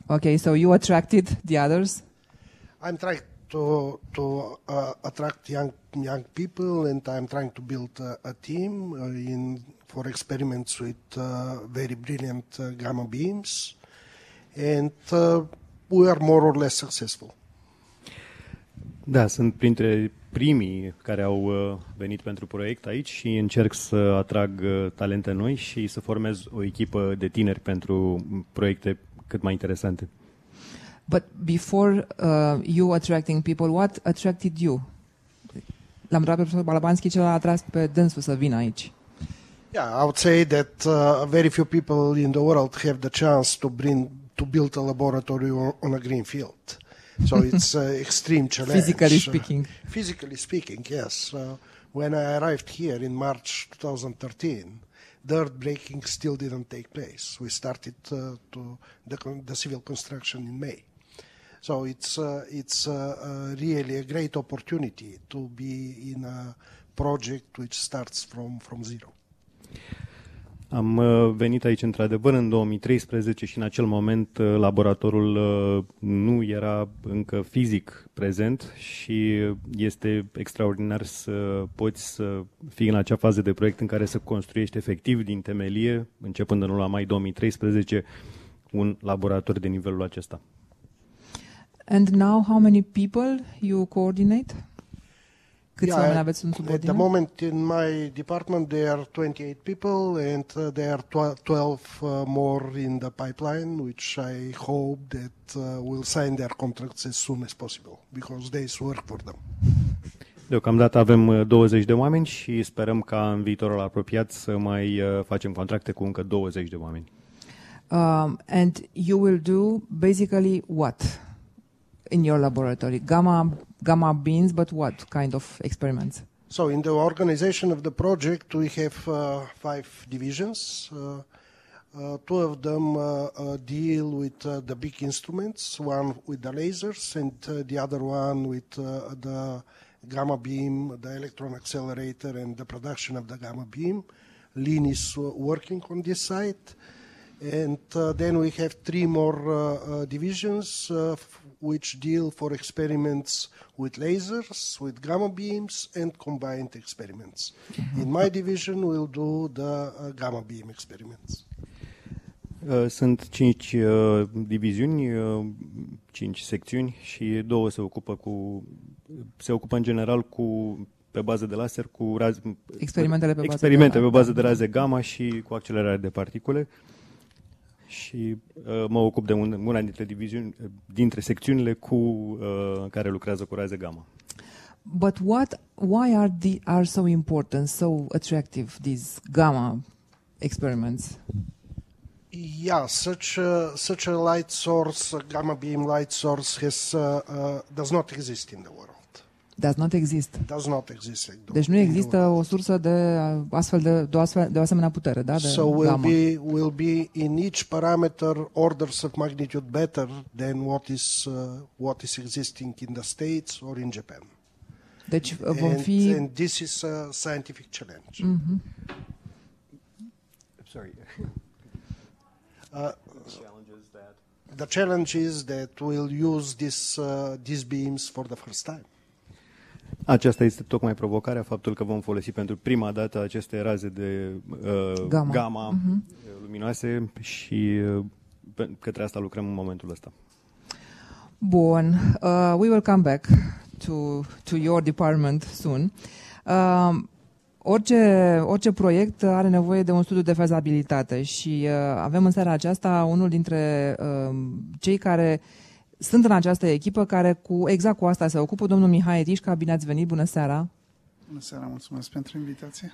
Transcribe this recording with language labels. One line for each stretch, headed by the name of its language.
English: Okay, so you attracted the others? I'm trying to attract young people, and I'm trying to build a team in for experiments with very brilliant gamma beams. And we are more or less successful.
Romanian: Da, sunt printre primii care au venit pentru proiect aici și încerc să atrag talente noi și să formez o echipă de tineri pentru proiecte cât mai interesante.
English: But before you attracting people, what attracted you?
Romanian: L-am întrebat pe profesor Balabanski ce l-a atras pe dânsul să vină aici.
English: Yeah, I would say that very few people in the world have the chance to build a laboratory on a green field. So it's an extreme challenge. Physically speaking. Physically speaking, yes. When I arrived here in March 2013, the earth breaking still didn't take place. We started the civil construction in May. So it's really a great opportunity to be in a project which starts from zero.
Romanian: Am venit aici într-adevăr în 2013 și în acel moment laboratorul nu era încă fizic prezent și este extraordinar să poți să fii în acea fază de proiect în care să construiești efectiv din temelie, începând în luna mai 2013, un laborator de nivelul acesta.
English: And now how many people you coordinate? Yeah, at the moment in my department there are 28 people and there are 12 more in the pipeline, which I hope that will sign their contracts as soon as possible because there is work for them.
Romanian: Deocamdată avem 20 de oameni și sperăm ca în viitorul apropiat să mai facem contracte cu încă 20 de oameni.
English: And you will do basically what in your laboratory? Gamma beams, but what kind of experiments? So in the organization of the project, we have five divisions. Two of them deal with the big instruments, one with the lasers and the other one with the gamma beam, the electron accelerator and the production of the gamma beam. Lean is working on this side. And then we have three more divisions which deal for experiments with lasers, with gamma beams, and combined experiments. Mm-hmm. In my division, we'll do the gamma beam experiments.
Romanian: Sunt cinci diviziuni, cinci secțiuni și două se ocupă în general cu pe bază de laser cu experimentele pe bază de raze gamma și cu accelerare de particule. Și mă ocup de una dintre diviziuni, dintre secțiunile cu care lucrează cu raze gamma.
English: But why are so important, so attractive these gamma experiments? Yeah, such a light source, a gamma beam light source does not exist in the world. Does not exist. Does not exist.
Romanian: Deci nu există o sursă de astfel de asemenea putere, da? De
English: so will be in each parameter orders of magnitude better than what is existing in the States or in Japan.
Romanian: Deci vom fi.
English: And this is a scientific challenge. Mm-hmm. Sorry. The challenge is that we'll use these beams for the first time.
Romanian: Aceasta este tocmai provocarea, faptul că vom folosi pentru prima dată aceste raze de gamma luminoase și către asta lucrăm în momentul ăsta. Bun,
English: we will come back to your department soon.
Romanian: Orice proiect are nevoie de un studiu de fezabilitate și avem în seara aceasta unul dintre cei care sunt în această echipă, care exact cu asta se ocupă, domnul Mihai Rișca. Bine ați venit, bună seara! Bună seara, mulțumesc pentru invitație!